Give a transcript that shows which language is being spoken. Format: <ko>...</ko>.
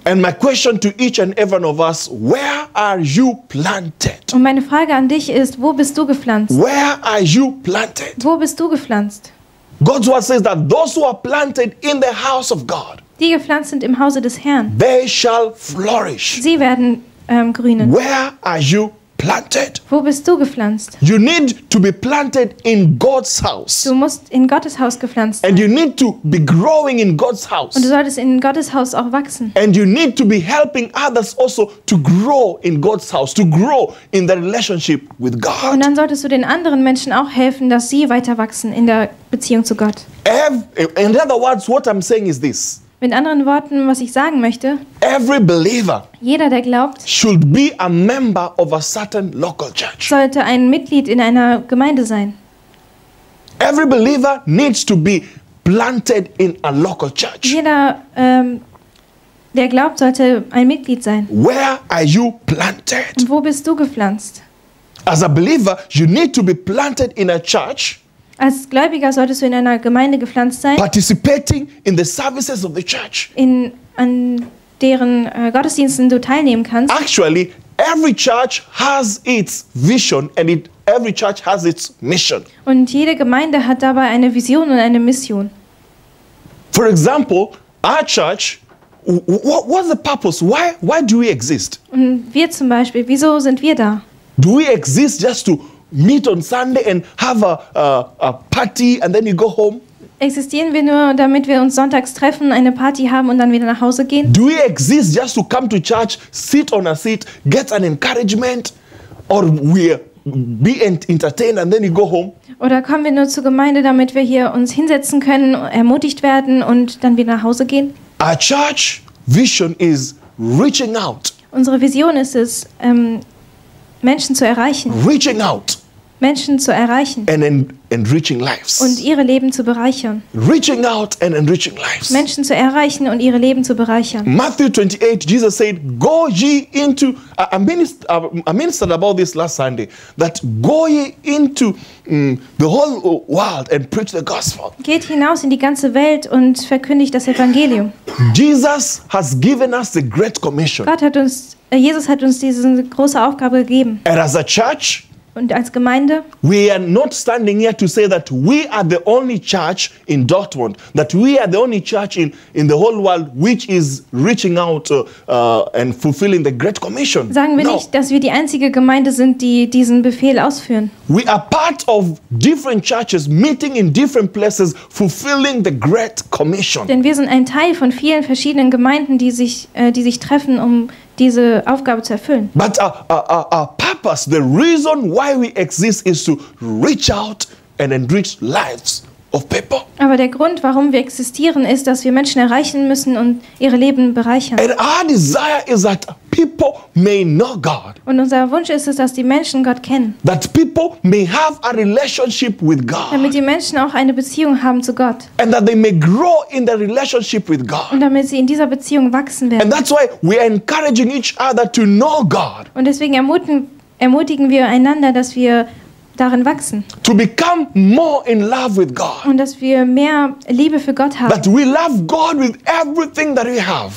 <en>And my question to each and every one of us: Where are you planted?</en> <de>Und meine Frage an dich ist: Wo bist du gepflanzt?</de> <en>Where are you planted?</en> <de>Wo bist du gepflanzt?</de> <en>God's word says that those who are planted in the house of God,</en> <de>die gepflanzt sind im Hause des Herrn,</de> <en>they shall flourish.</en> <de>Sie werden grünen.</de> <en>Where are you planted?</en> <de>Wo bist du gepflanzt?</de> <en>You need to be planted in God's house.</en> <de>Du musst in Gottes Haus gepflanzt sein.</de> <en>And you need to be growing in God's house.</en> <de>Und du solltest in Gottes Haus auch wachsen.</de> <en>And you need to be helping others also to grow in God's house, to grow in the relationship with God.</en> <de>Und dann solltest du den anderen Menschen auch helfen, dass sie weiter wachsen in der Beziehung zu Gott.</de> <en>In other words, what I'm saying is this.</en> <de>Mit anderen Worten, was ich sagen möchte,</de> <en>every believer,</en> <de>jeder, der glaubt,</de> <en>should be a member of a certain local church.</en> <de>Sollte ein Mitglied in einer Gemeinde sein.</de> <en>Every believer needs to be planted in a local church.</en> <de>Jeder, der glaubt, sollte ein Mitglied sein.</de> <en>Where are you planted?</en> <de>Und wo bist du gepflanzt?</de> <en>As a believer, you need to be planted in a church.</en> <de>Als Gläubiger solltest du in einer Gemeinde gepflanzt sein.</de> <en>Participating in the services of the church.</en> <de>An deren Gottesdiensten du teilnehmen kannst.</de> <en>Actually, Every church has its vision and every church has its mission.</en> <de>Und jede Gemeinde hat dabei eine Vision und eine Mission.</de> <en>For example, our church, what's the purpose? Why do we exist?</en> <de>Und wir zum Beispiel, wieso sind wir da?</de> <en>Do we exist just to meet on Sunday and have a party and then you go home?</en> <de>Existieren wir nur, damit wir uns sonntags treffen, eine Party haben und dann wieder nach Hause gehen?</de> <en>Do we exist just to come to church, sit on a seat, get an encouragement, or we be entertained and then you go home?</en> <de>Oder kommen wir nur zur Gemeinde, damit wir hier uns hinsetzen können, ermutigt werden und dann wieder nach Hause gehen?</de> <en>Our church vision is reaching out.</en> <de>Unsere Vision ist es, Menschen zu erreichen.</de> <en>Reaching out.</en> <de>Menschen zu erreichen.</de> <en>And enriching lives.</en> <de>Und ihre Leben zu bereichern.</de> <en>Reaching out and enriching lives.</en> <de>Menschen zu erreichen und ihre Leben zu bereichern.</de> <en>Matthew 28, Jesus said, go ye into, I ministered about this last Sunday, that go ye into the whole world and preach the gospel.</en> <de>Geht hinaus in die ganze Welt und verkündigt das Evangelium.</de> <en>Jesus has given us the great commission.</en> <de>Jesus hat uns diese große Aufgabe gegeben.</de> <en>And as a church,</en> <de>und als Gemeinde,</de> <en>we are not standing here to say that we are the only church in Dortmund, that we are the only church in the whole world which is reaching out and fulfilling the Great Commission.</en> <de>Sagen wir nicht, dass wir die einzige Gemeinde sind, die diesen Befehl ausführen.</de> <en>We are part of different churches meeting in different places fulfilling the Great Commission.</en> <de>Denn wir sind ein Teil von vielen verschiedenen Gemeinden, die sich treffen, um diese Aufgabe zu erfüllen.</de> <en>But our purpose, the reason why we exist, is to reach out and enrich lives of people.</en> <de>Aber der Grund, warum wir existieren, ist, dass wir Menschen erreichen müssen und ihre Leben bereichern.</de> <en>And our desire is that people may know God.</en> <de>Und unser Wunsch ist es, dass die Menschen Gott kennen.</de> <en>That people may have a relationship with God.</en> <de>Damit die Menschen auch eine Beziehung haben zu Gott.</de> <en>And that they may grow in their relationship with God.</en> <de>Und damit sie in dieser Beziehung wachsen werden.</de> <en>And that's why we are encouraging each other to know God.</en> <de>Und deswegen ermutigen wir einander, dass wir darin wachsen.</de> <en>To become more in love with God.</en> <de>Und dass wir mehr Liebe für Gott haben.</de> <en>That we love God with everything that we have.</en>